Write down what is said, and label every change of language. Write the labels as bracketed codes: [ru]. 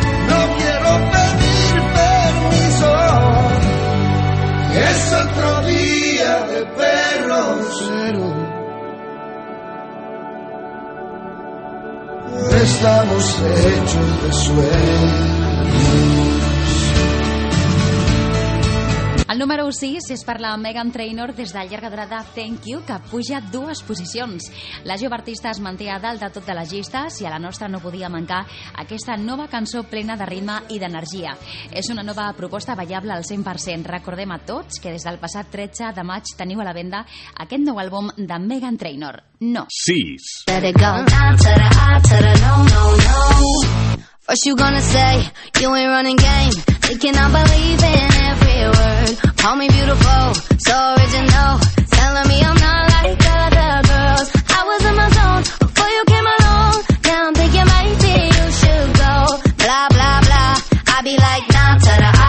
[es] No quiero pedir permiso. Es otro día de perro cero. Estamos hechos de sueños. [ca] El número 6 és per la Meghan Trainor des de llarga durada Thank You, que puja dues posicions. La jove artista es manté a dalt de tot de les llistes i a la nostra no podia mancar aquesta nova cançó plena de ritme i d'energia. És una nova proposta ballable al 100%. Recordem a tots que des del passat 13 de maig teniu a la venda aquest nou àlbum de Meghan Trainor. No. 6. [en] Let it go. No. First you gonna say you ain't running game. They cannot believe in every word. Call me beautiful, so original. Telling me I'm not like the other girls. I was in my zone before you came along. Now I'm thinking maybe you should go. Blah, blah, blah. I be like, nah, ta-da.